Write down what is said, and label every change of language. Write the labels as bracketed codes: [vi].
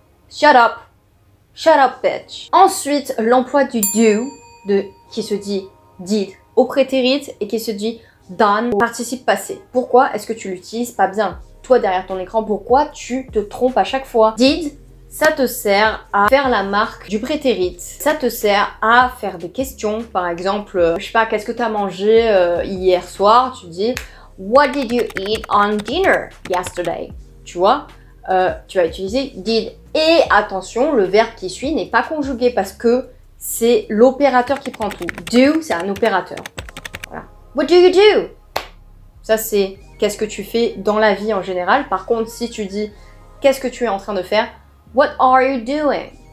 [en] Shut up! Shut up, bitch. [fr] Ensuite, l'emploi du do, qui se dit did au prétérit et qui se dit done au participe passé. Pourquoi est-ce que tu l'utilises pas bien? Toi, derrière ton écran, pourquoi tu te trompes à chaque fois? Did, ça te sert à faire la marque du prétérit. Ça te sert à faire des questions. Par exemple, je sais pas, qu'est-ce que t'as mangé hier soir? Tu dis, [en] what did you eat on dinner yesterday? [fr] Tu vois? Tu vas utiliser did. Et attention, le verbe qui suit n'est pas conjugué parce que c'est l'opérateur qui prend tout. Do, c'est un opérateur. Voilà. [en] What do you do? [fr] Ça, c'est qu'est-ce que tu fais dans la vie en général. Par contre, si tu dis qu'est-ce que tu es en train de faire, [en] what are you doing?